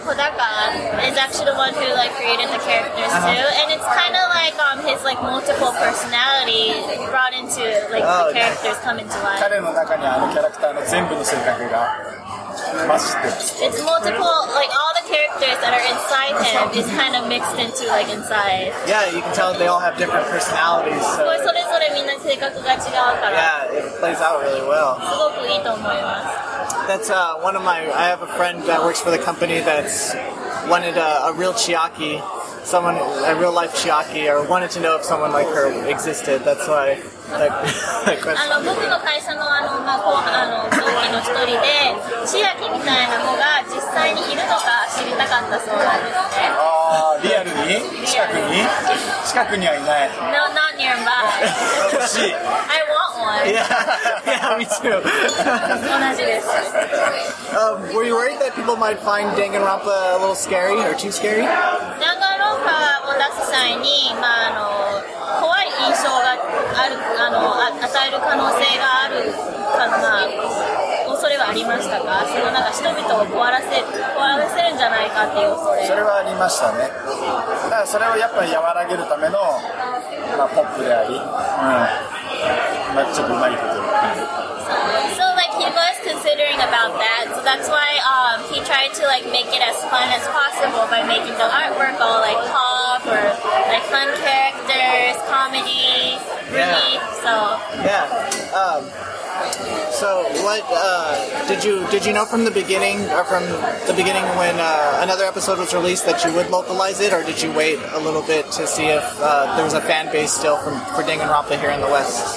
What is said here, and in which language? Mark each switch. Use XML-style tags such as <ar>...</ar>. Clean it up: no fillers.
<en>Kodaka is actually the one who like created the characters too, and it's kind of like his like multiple personality brought into like the characters come into life.</en> <ja>彼の中にあのキャラクターの全部の性格が混じってる。</ja> <en>It's multiple, like all the characters that are inside him is kind of mixed into like inside. Yeah, you can tell they all have different personalities. So</en> <ja>それぞれみんな性格が違うから。</ja> <en>Yeah, it plays out really well.</en> <ja>すごくいいと思います。</ja> <en>That's one of my. I have a friend that works for the company that's wanted a real Chiaki, someone a real life Chiaki, or wanted to know if someone like her existed. That's why. That question.</en> <ja>僕の会社のまあ、同期の一人で Chiaki みたいな子が実際にいるのか知りたかったそうなんですね。ああ、リアルに？近くにはいない。</ja> <en>No, not nearby.</en> <ja>欲しい。</ja> <en>I want one. Yeah, me too.</en> <ja>同じです。</ja> <en>Were you worried that people might find Danganronpa a little scary or too scary?</en> <ja>Danganronpa を出す際に、まあ、怖い印象がある、与える可能性があるかな、恐れはありましたか？そのなんか人々を怖らせるんじゃないかっていう恐れ。それはありましたね。だからそれをやっぱり和らげるための、まあ、ポップであり、うん、まあ、ちょっとうまいこと。</ja> <en>Considering about that, so that's why he tried to like make it as fun as possible by making the artwork all like pop or like fun characters, comedy, really. Yeah. So yeah. So what did you know from the beginning or from the beginning when another episode was released that you would localize it, or did you wait a little bit to see if there was a fan base still for Danganronpa here in the West?</en>